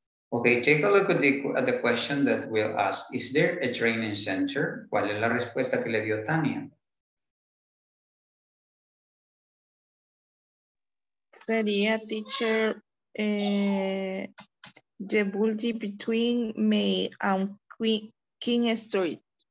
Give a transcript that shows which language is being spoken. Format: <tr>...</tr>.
<en>Okay, take a look at the question that we'll ask. Is there a training center?</en> <es>¿Cuál es la respuesta que le dio Tania? Sería,</es> <en>teacher, the building between May and King Street.</en>